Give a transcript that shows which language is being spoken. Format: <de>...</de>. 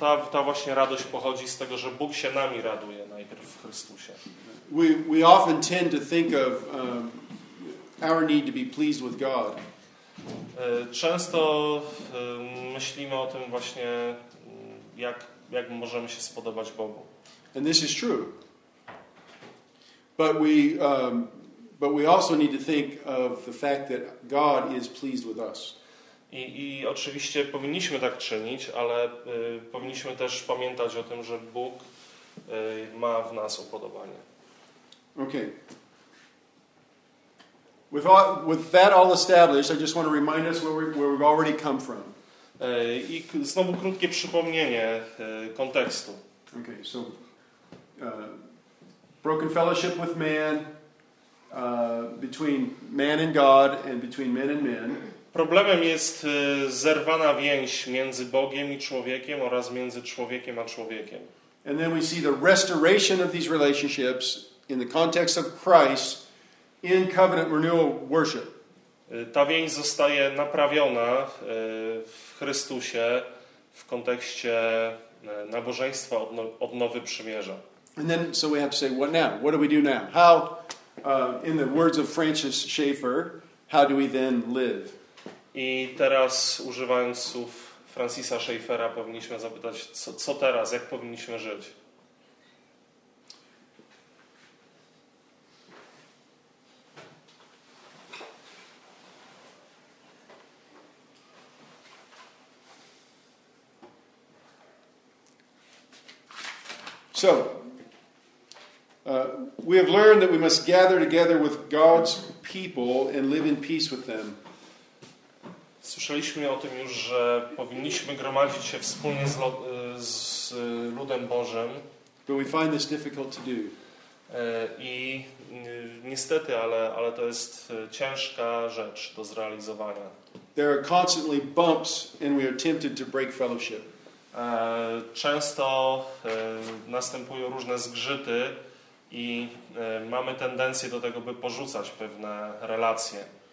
<pl>Ta właśnie radość pochodzi z tego, że Bóg się nami raduje najpierw w Chrystusie.</pl> <en>We often tend to think of our need to be pleased with God.</en> <pl>Często myślimy o tym właśnie, jak jak możemy się spodobać Bogu.</pl> <en>And this is true. But we also need to think of the fact that God is pleased with us.</en> <pl>I oczywiście powinniśmy tak czynić, ale powinniśmy też pamiętać o tym, że Bóg ma w nas upodobanie.</pl> <en>Okay. With that all established, I just want to remind us where we've already come from.</en> <pl>I znowu krótkie przypomnienie kontekstu.</pl> <en>Okay, so broken fellowship with man, between man and God and between men and men.</en> <pl>Problemem jest zerwana więź między Bogiem i człowiekiem oraz między człowiekiem a człowiekiem.</pl> <en>And then we see the restoration of these relationships in the context of Christ in covenant renewal worship.</en> <pl>Ta więź zostaje naprawiona w Chrystusie w kontekście nabożeństwa odnowy przymierza.</pl> <en>And then so we have to say, what now? What do we do now? How, in the words of Francis Schaeffer, how do we then live?</en> <pl>I teraz, używając słów Francisa Schaeffera, powinniśmy zapytać, co teraz, jak powinniśmy żyć?</pl> <en>So, we have learned that we must gather together with God's people and live in peace with them.</en> <pl>Słyszeliśmy o tym już, że powinniśmy gromadzić się wspólnie z ludem Bożym.</pl> <en>But we find this difficult to do.</en> <pl>I niestety, ale to jest ciężka rzecz do zrealizowania.</pl> <en>There are constantly bumps and we are tempted to break fellowship.</en> <pl>Często następują różne zgrzyty i mamy tendencję do tego, by porzucać pewne relacje.</pl>